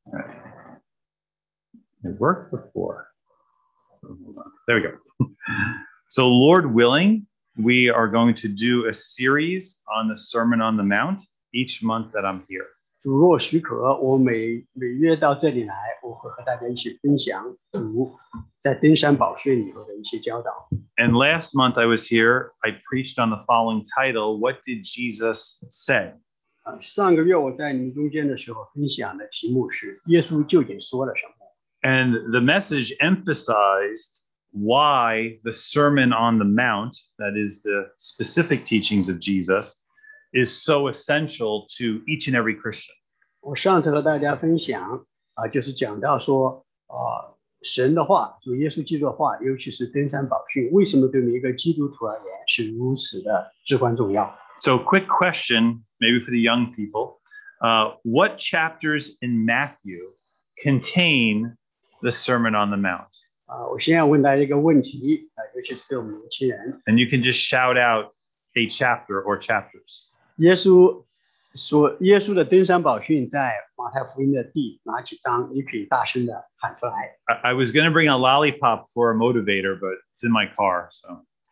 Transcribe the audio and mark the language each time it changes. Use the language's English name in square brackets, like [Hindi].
[Chinese] 这是我一个雄心勃勃的一个系列的讲道。我每个月都会到你们中间来。我有心要和大家分享，就是耶稣究竟说了什么。这是第二行，这个系列的第二行。 [English] It worked before. There we go. So Lord willing, we are going to do a series on the Sermon on the Mount each month that I'm here. [Chinese] 主若许可，我每月到这里来，我会和大家一起分享主在登山宝训里头的一些教导。 [English] And last month I was here, I preached on the following title: What did Jesus say? [Chinese] 上个月我在你们中间的时候分享的题目是耶稣究竟说了什么。 [English] And the message emphasized why the Sermon on the Mount, that is the specific teachings of Jesus, is so essential to each and every Christian. [Chinese] 我上次和大家分享, 就是讲到说, 神的话, 主耶稣基督的话, 尤其是登山宝训, 为什么对每一个基督徒而言是如此的至关重要。 [English] So quick question, maybe for the young people. What chapters in Matthew contain the Sermon on the Mount? [Chinese] 我先要问大家一个问题, 尤其是对我们年轻人。 [English] And you can just shout out a chapter or chapters. [Chinese] 耶稣 所耶稣的登山宝训在马太福音的第哪几章？你可以大声的喊出来。 [English] I was going to bring a lollipop for a motivator, but it's in my car, so.